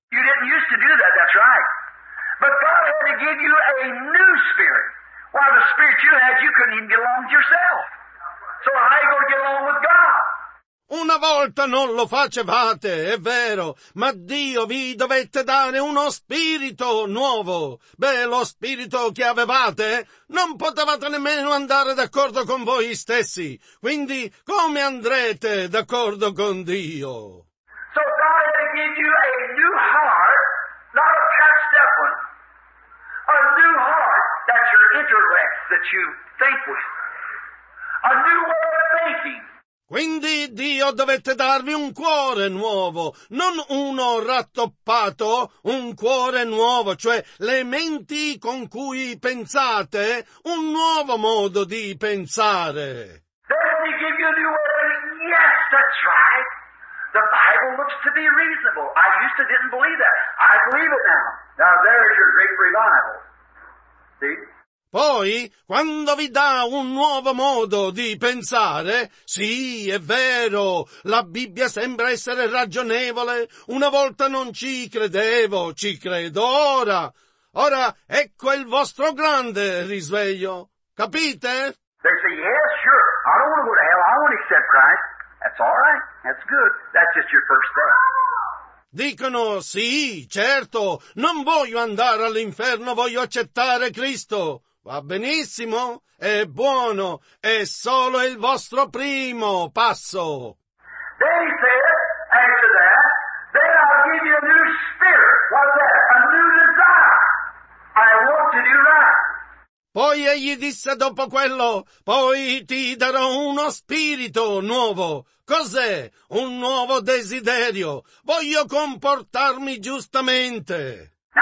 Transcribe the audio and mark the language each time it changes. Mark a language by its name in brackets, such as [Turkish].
[English] You didn't used to do that, that's right. But God had to give you a new spirit. While the spirit you had, you couldn't even get along with yourself. So how are you going to get along with God? [Italian] Una volta non lo facevate, è vero, ma Dio vi dovette dare uno spirito nuovo. Beh, lo spirito che avevate, non potevate nemmeno andare d'accordo con voi stessi. Quindi, come andrete d'accordo con Dio? [English] So God had to give you a new heart. Not a patched up one. A new heart. That's your intellect that you think with. A new way of thinking. [Italian] Quindi Dio dovette darvi un cuore nuovo, non uno rattoppato, un cuore nuovo, cioè le menti con cui pensate, un nuovo modo di pensare. [English] Then he gives you a new way. Yes, that's right. The Bible looks to be reasonable. I used to didn't believe that. I believe it now. Now there's your great revival. See? [Italian] Poi, quando vi dà un nuovo modo di pensare, sì, è vero, la Bibbia sembra essere ragionevole. Una volta non ci credevo, ci credo ora. Ora ecco il vostro grande risveglio. Capite? [English] They say, yes, sure. I don't want to go to hell. I want to accept Christ. That's all right. That's good. That's just your first step. [Italian] Dicono, sì, certo, non voglio andare all'inferno, voglio accettare Cristo. Va benissimo, è buono, è solo il vostro primo passo. [English] They said, after that, then I'll give you a new spirit. What's that? A new desire. I want to do right. [Italian] Poi egli disse dopo quello, poi ti darò uno spirito nuovo. Cos'è? Un nuovo desiderio. Voglio comportarmi giustamente.